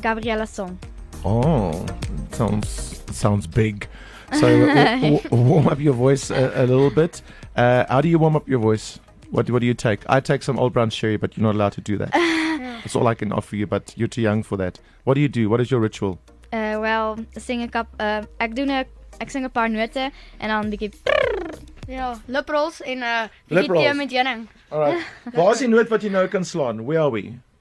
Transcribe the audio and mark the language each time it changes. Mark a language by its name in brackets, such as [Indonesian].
[English] Gabriella's song. Oh, sounds big. So warm up your voice a little bit. How do you warm up your voice? What do you take? I take some Old Brown Sherry, but you're not allowed to do that. That's all I can offer you, but you're too young for that. What do you do? What is your ritual? [Afrikaans] Ek sing 'n paar note en dan 'n bietjie. Ja, lip rolls en bietjie tee met jenning. [English] Alright. [Afrikaans] Waar is die noot wat jy nou kan slaan? [English] Where are we?